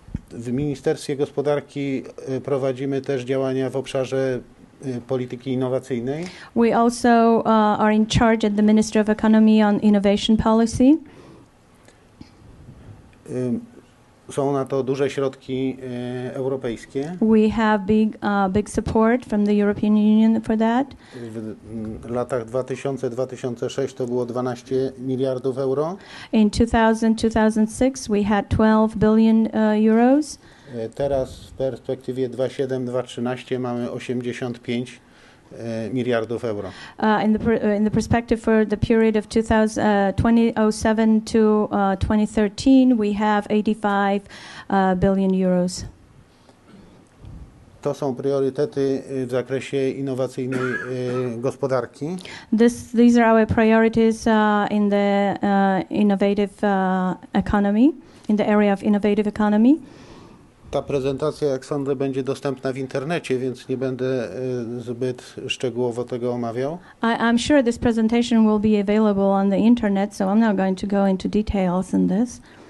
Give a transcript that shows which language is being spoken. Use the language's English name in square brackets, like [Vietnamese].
[Polish] W Ministerstwie Gospodarki prowadzimy też działania w obszarze polityki innowacyjnej. [English] We also are in charge at the Ministry of Economy on innovation policy. [Polish] Są na to duże środki europejskie. [English] We have big support from the European Union for that. [Polish] W latach 2000-2006 to było 12 miliardów euro. [English] In 2000-2006 we had 12 billion euros. [Polish] Teraz w perspektywie 2007-2013 mamy 85 miliardów euro. [English] In the perspective for the period of 2007 to 2013, we have 85 billion euros. [Polish] To są priorytety w zakresie innowacyjnej gospodarki. [English] These are our priorities in the innovative economy, in the area of innovative economy. [Polish] Ta prezentacja, jak sądzę, będzie dostępna w internecie, więc nie będę zbyt szczegółowo tego omawiał. [English] I'm sure this presentation will be available on the internet, so I'm not going to go into details in this.